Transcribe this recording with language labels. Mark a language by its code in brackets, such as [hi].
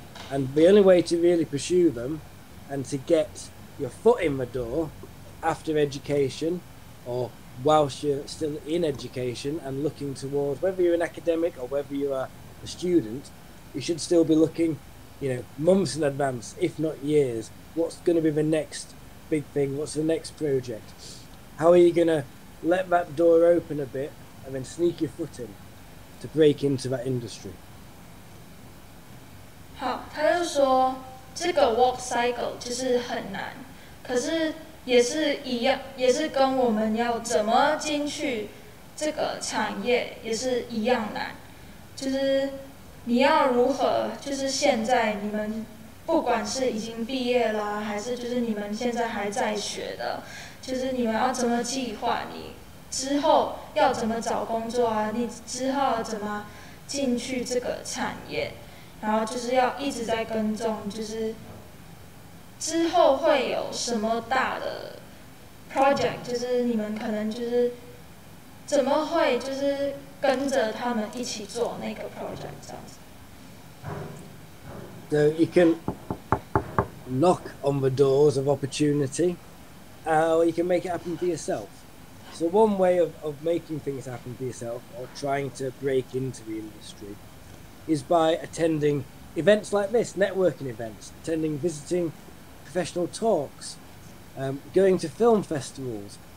[en] And the only way to really pursue them and to get your foot in the door after education or whilst you're still in education and looking towards, whether you're an academic or whether you are a student, you should still be looking, you know, months in advance, if not years. What's going to be the next big thing? What's the next project? How are you going to let that door open a bit and then sneak your foot in to break into that industry? [zh] 说这个 walk cycle 就是很难，可是也是一样，也是跟我们要怎么进去这个产业也是一样难，就是你要如何，就是现在你们不管是已经毕业了，还是就是你们现在还在学的，就是你们要怎么计划你之后要怎么找工作啊，你之后怎么进去这个产业，然后就是要一直在跟踪，就是之后会有什么大的 project， 就是你们可能就是怎么会就是跟着他们一起做那个 project 这样子。 [en] So you can knock on the doors of opportunity, or you can make it happen for yourself. So one way of making things happen for yourself, or trying to break into the industry, is by attending events like this, networking events, attending, visiting professional talks, going to film festivals.